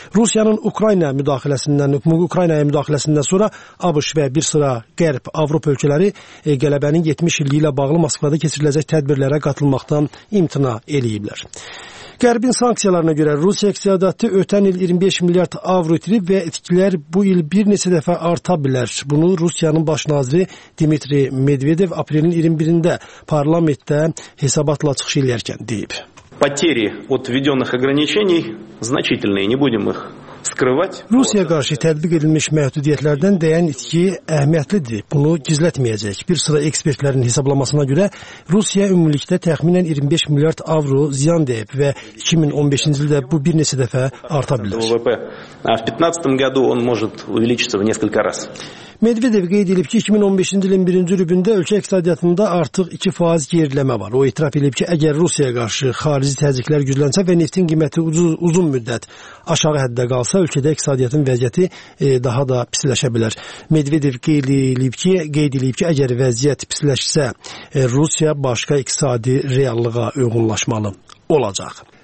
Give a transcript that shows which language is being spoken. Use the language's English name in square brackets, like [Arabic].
[Azerbaijani] Rusiyanın Ukraynaya müdaxiləsindən sonra ABŞ və bir sıra Qərb Avropa ölkələri qələbənin 70 illiyi ilə bağlı Moskvada keçiriləcək tədbirlərə qatılmaqdan imtina eləyiblər. Qərbin sanksiyalarına görə Rusiya iqtisadiyyatı ötən il 25 milyard avro itirib və itkilər bu il bir neçə dəfə arta bilər. Bunu Rusiyanın baş naziri Dmitri Medvedev aprelin 21-də parlamentdə hesabatla çıxış edərkən deyib. [Russian] Потери от введённых ограничений значительные, не будем их скрывать. [Azerbaijani] Rusiya qarşı tətbiq edilmiş məhdudiyyətlərdən dəyən itki əhəmiyyətlidir. Bunu gizlətməyəcək. Bir sıra ekspertlərin hesablamasına görə Rusiya ümumilikdə təxminən 25 milyard avro ziyan deyib və 2015-ci ildə bu bir neçə dəfə arta bilər. [Russian] ВВП в 15-м году он может увеличиться в несколько раз. [Azerbaijani] Medvedev qeyd edib ki, 2015-ci ilin birinci rübündə ölkə iqtisadiyyatında artıq 2% gerilmə var. O etiraf edib ki, əgər Rusiyaya qarşı xarici təzyiqlər güclənsə və neftin qiyməti uzun müddət aşağı həddə qalsa, ölkədə iqtisadiyyatın vəziyyəti daha da pisləşə bilər. Medvedev qeyd edib ki, əgər vəziyyət pisləşsə, Rusiya başqa iqtisadi reallığa uyğunlaşmalı olacaq.